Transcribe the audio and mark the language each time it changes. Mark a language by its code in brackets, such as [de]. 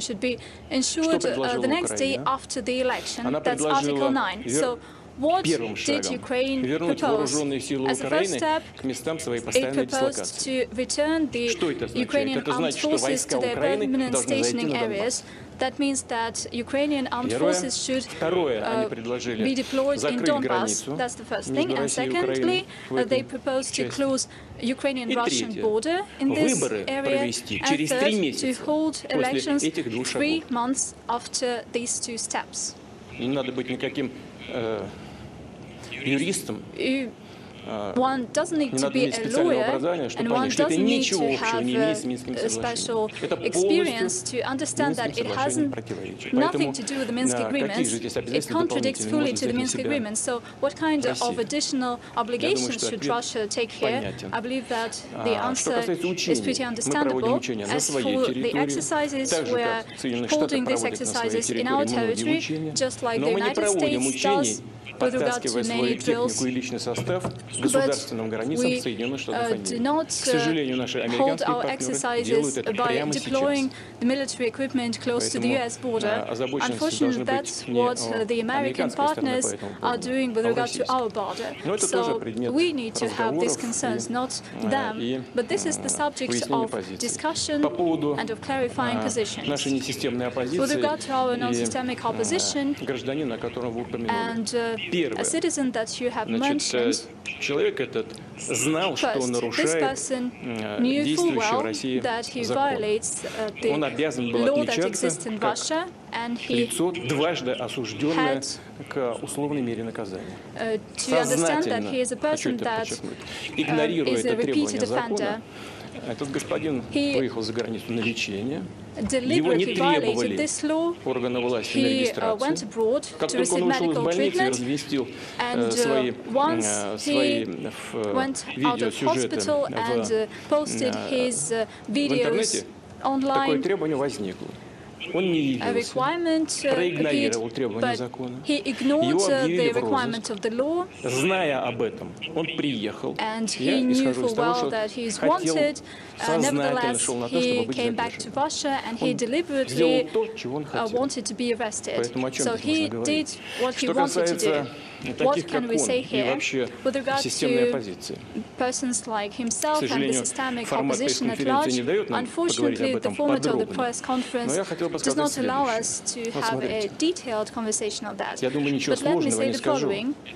[ru] Что предложила Украина? Она предложила первым шагом вернуть вооруженные силы Украины к местам своей постоянной дислокации. Что это означает? Это значит, что войска Украины должны зайти на Донбасс. [en] That means that Ukrainian armed forces should be deployed in Donbass. That's the first thing. And secondly, they proposed to close Ukrainian-Russian border in this area. And third, to hold elections 3 months after these two steps. [ru] Не надо быть никаким юристом. [en] One doesn't need to be a lawyer, and one doesn't need to have a special experience to understand that it has nothing to do with the Minsk agreement. It contradicts fully to the Minsk agreement. So what kind of additional obligations should Russia take here? I believe that the answer is pretty understandable. As for the exercises, we are holding these exercises in our territory, just like the United States does. With regard to many drills, but we do not hold our exercises by deploying the military equipment close to the U.S. border. Unfortunately, that's what the American partners are doing with regard to our border. So we need to have these concerns, not them. But this is the subject of discussion and of clarifying positions. With regard to our non-systemic opposition and a citizen that you have mentioned. [ru] Человек этот знал, что он нарушает действующую в России закон. Он обязан был отличаться как лицо, дважды осужденное к условной мере наказания. Сознательно, игнорируя это требование закона, этот господин выехал за границу на лечение. Его не требовали органы власти на регистрацию. Как только он ушел из больницы и развестил свои видеосюжеты в интернете, такое требование возникло. Он не явился, проигнорировал требования закона, его объявили в розыск, зная об этом, он приехал, я исхожу из того, что хотел, сознательно шел на то, чтобы быть задержанным. Он сделал то, чего он хотел, поэтому о чем здесь можно говорить? Что касается [en] what can we say here with regard to persons like himself and the systemic opposition at large? Unfortunately, the format of the press conference does not allow us to have a detailed conversation on that. But let me say the following.